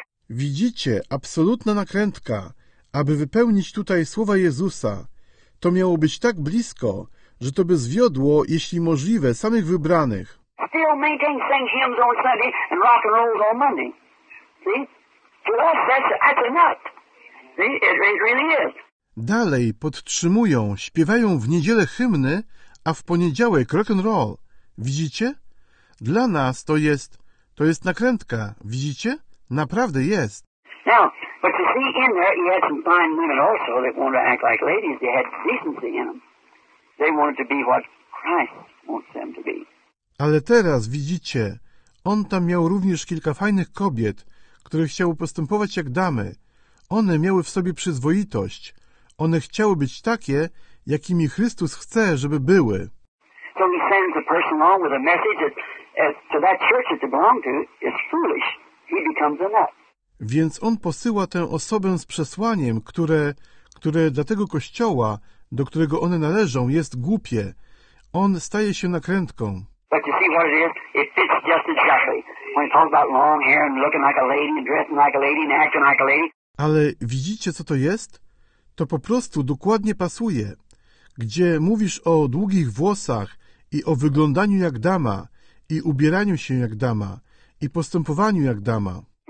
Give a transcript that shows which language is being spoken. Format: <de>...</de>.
<pl>Widzicie, absolutna nakrętka, aby wypełnić tutaj słowa Jezusa. To miało być tak blisko, że to by zwiodło, jeśli możliwe, samych wybranych.</pl> <en>Still maintain sing hymns on Sunday and rock and roll on Monday. See? To us, that's a nut. See? It really is.</en> <pl>Dalej podtrzymują, śpiewają w niedzielę hymny, a w poniedziałek rock and roll. Widzicie? Dla nas to jest nakrętka. Widzicie? Naprawdę jest.</pl> <en>Now, but you see, in there you had some fine women also that wanted to act like ladies. They had decency in them. They wanted to be what Christ wants them to be.</en> <pl>Ale teraz widzicie, on tam miał również kilka fajnych kobiet, które chciały postępować jak damy. One miały w sobie przyzwoitość. One chciały być takie, jakimi Chrystus chce, żeby były.</pl> <en>So he sends a person along with a message that to that church that they belong to is foolish. He becomes a nut.</en> <pl>Więc on posyła tę osobę z przesłaniem, które dla tego kościoła, do którego one należą, jest głupie. On staje się nakrętką.</pl> <en>But you see what it is? It fits just exactly. When it talks about long hair and looking like a lady and dressing like a lady and acting like a lady.</en> <pl>Ale widzicie, co to jest? To po prostu dokładnie pasuje. Gdzie mówisz o długich włosach i o wyglądaniu jak dama i ubieraniu się jak dama i postępowaniu jak dama.</pl>